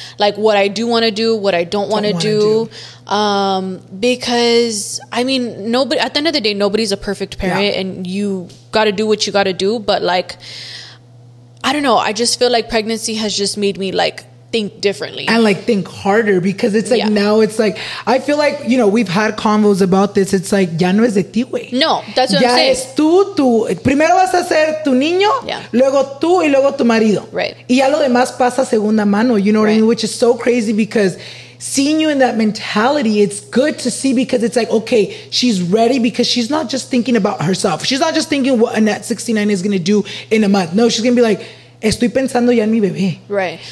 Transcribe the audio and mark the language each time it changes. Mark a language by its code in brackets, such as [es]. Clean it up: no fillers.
[en] Like, what I do want to do, what I don't want to do. Because I mean, nobody, at the end of the day, nobody's a perfect parent, and you got to do what you got to do. But, like, I don't know, I just feel like pregnancy has just made me, like, think differently and, like, think harder, because it's like, now it's like, I feel like, you know, we've had convos about this. [es] It's like, ya no es de ti, güey. [en] No, that's what [es] ya [en] I'm saying. [es] Ya es tú, tu primero vas a ser tu niño, luego tú y luego tu marido. [en] Right. [es] Y ya lo demás pasa segunda mano, [en] you know what I mean? Which is so crazy, because seeing you in that mentality, it's good to see, because it's like, okay, she's ready, because she's not just thinking about herself. She's not just thinking what Annette 69 is going to do in a month. No, she's going to be like, [es] estoy pensando ya en mi bebé. [en] Right.